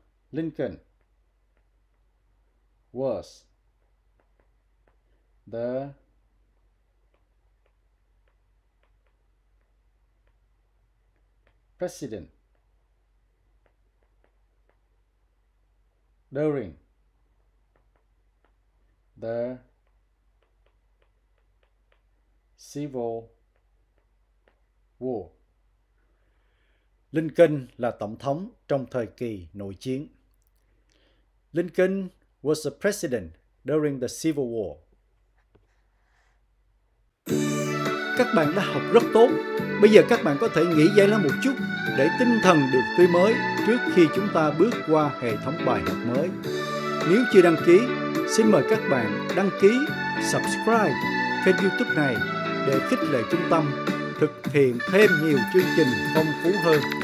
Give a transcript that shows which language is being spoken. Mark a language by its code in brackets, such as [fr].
[en] Lincoln was the president during the Civil War. [vi] Lincoln là tổng thống trong thời kỳ nội chiến. [en] Lincoln was the president during the Civil War. [vi] Các bạn đã học rất tốt. Bây giờ các bạn có thể nghỉ giải lao một chút để tinh thần được tươi mới trước khi chúng ta bước qua hệ thống bài học mới. Nếu chưa đăng ký, xin mời các bạn đăng ký, subscribe kênh YouTube này để khích lệ trung tâm thực hiện thêm nhiều chương trình phong phú hơn.